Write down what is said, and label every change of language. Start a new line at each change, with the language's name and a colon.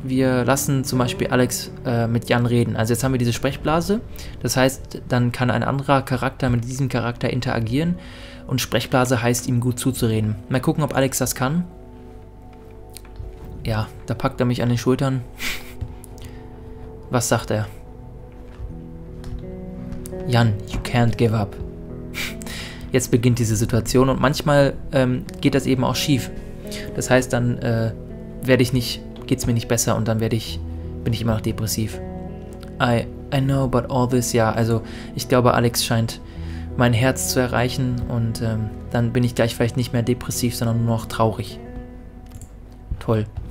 German: Wir lassen zum Beispiel Alex mit Jan reden. Also jetzt haben wir diese Sprechblase. Das heißt, dann kann ein anderer Charakter mit diesem Charakter interagieren und Sprechblase heißt, ihm gut zuzureden. Mal gucken, ob Alex das kann. Ja, da packt er mich an den Schultern. Was sagt er?
English: Jan, you can't give up.
German: jetzt beginnt diese Situation und manchmal geht das eben auch schief. Das heißt, dann werde ich nicht, geht's mir nicht besser und dann werde ich, bin ich immer noch depressiv.
English: I know, but all this,
German: ja, also ich glaube, Alex scheint mein Herz zu erreichen und dann bin ich gleich vielleicht nicht mehr depressiv, sondern nur noch traurig. Toll.